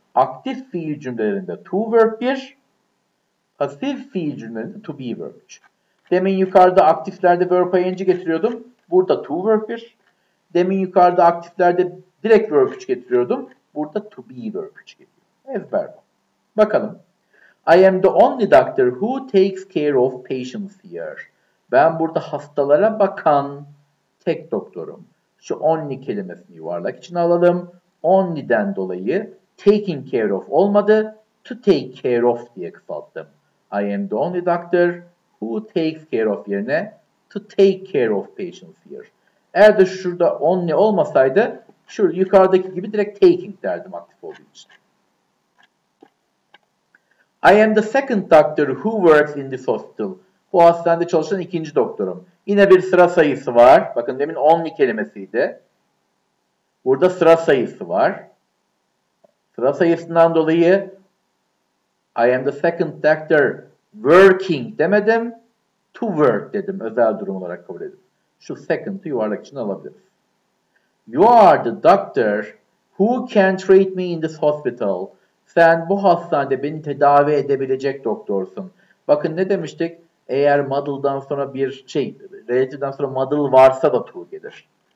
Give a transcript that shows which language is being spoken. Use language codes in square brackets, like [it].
[tr] Aktif fiil cümlelerinde [en] to verb 1, [tr] pasif fiil cümlelerinde [en] to be verb 3. [tr] Demin yukarıda aktiflerde [en] verb ing [tr] getiriyordum. Burada [en] to verb 1. [tr] Demin yukarıda aktiflerde direkt [en] verb 3 [tr] getiriyordum. Burada [en] to be verb 3 [tr] getiriyordum. Ezber bu. Bakalım. [en] I am the only doctor who takes care of patients here. [tr] Ben burada hastalara bakan tek doktorum. Şu only kelimesini yuvarlak içine alalım. Only'den dolayı [en] taking care of [tr] olmadı, [en] to take care of [tr] diye kısalttım. [en] I am the only doctor who takes care of [tr] yerine [en] to take care of patients here. [tr] Eğer de şurada only olmasaydı, şu yukarıdaki gibi direkt taking derdim aktif olduğu için. [en] I am the second doctor who works in this hospital. [tr] Bu hastanede çalışan ikinci doktorum. Yine bir sıra sayısı var. Bakın demin only kelimesiydi. Burada sıra sayısı var. Sıra sayısından dolayı [en] I am the second doctor working [tr] demedim. [en] To work [tr] dedim. Özel durum olarak kabul edin. Şu second'ı yuvarlak içine alabiliriz. [en] You are the doctor who can treat me in this hospital. [tr] Sen bu hastanede beni tedavi edebilecek doktorsun. Bakın ne demiştik? Eğer muddle'dan sonra bir şey, relative'den sonra muddle varsa da true gelir.